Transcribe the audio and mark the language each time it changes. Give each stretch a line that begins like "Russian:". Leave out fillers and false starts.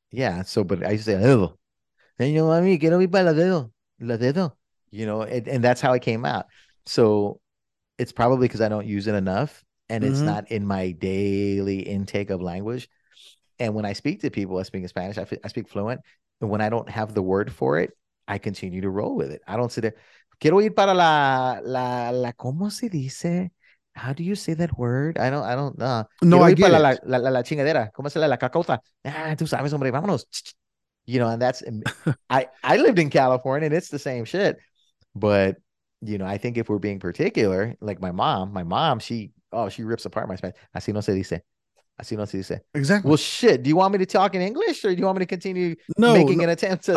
English: Yeah, but I used to say, Ladedo. Then you know,
Spanish: mami, quiero ir para Ladedo.
English: Ladedo. You know, and that's how it came out. So it's probably because I don't use it enough and it's not in my daily intake of language. And when I speak to people, I speak in Spanish, I speak fluent. But when I don't have the word for it, I continue to roll with it. I don't sit there,
Spanish: quiero ir para la, ¿cómo se dice?
English: How do you say that word? I don't know. No, I get it.
Spanish: La chingadera. ¿Cómo se la cacota? Tú sabes, hombre, vámonos.
English: You know, and that's, I lived in California and it's the same shit. But, you know, I think if we're being particular, like my mom, she rips apart my Spanish.
Spanish: Así no se dice. Así no se dice.
English: Exactly. Well, shit, do you want me to talk in English or do you want me to continue an attempt to